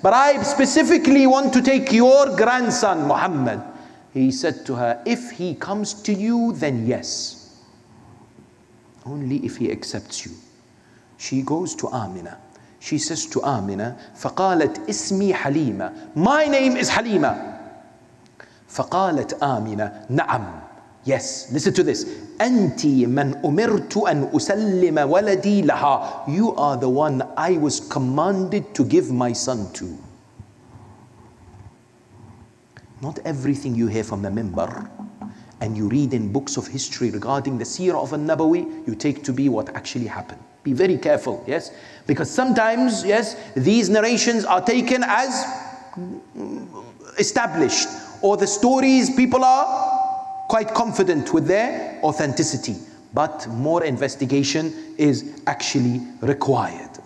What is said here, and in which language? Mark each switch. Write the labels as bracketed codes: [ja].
[en] But I specifically want to take your grandson, Muhammad. He said to her, if he comes to you, then yes. Only if he accepts you. She goes to Amina. She says to Amina, [ar] فَقَالَتْ إِسْمِي حَلِيمَ. [en] My name is Halima. [ar] فَقَالَتْ Amina, نَعَمْ. [en] Yes, listen to this. [ar] أنتي من أمرت أن أسلم ولدي لها. [en] You are the one I was commanded to give my son to. Not everything you hear from the minbar and you read in books of history regarding the seerah of al-Nabawi, you take to be what actually happened. Be very careful, yes? Because sometimes, yes, these narrations are taken as established, or the stories people are quite confident with their authenticity, but more investigation is actually required.